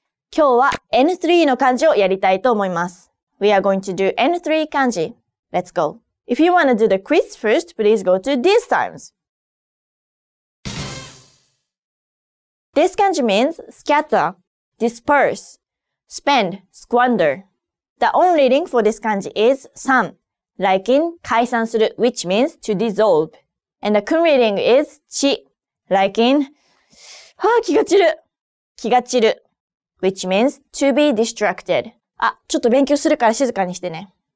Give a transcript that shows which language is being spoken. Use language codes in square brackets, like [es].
[ja] 今日は N3 の漢字をやりたいと思います。 [en] We are going to do N3 漢字.Let's go! If you want to do the quiz first, please go to these times. This kanji means scatter, disperse, spend, squander. The on reading for this kanji is san, like in 解散する, which means to dissolve. And the kun reading is chi, like in [ja] 気が散る, 気が散る, [en] which means to be distracted. [ja] あ、ちょっと勉強するから静かにしてね。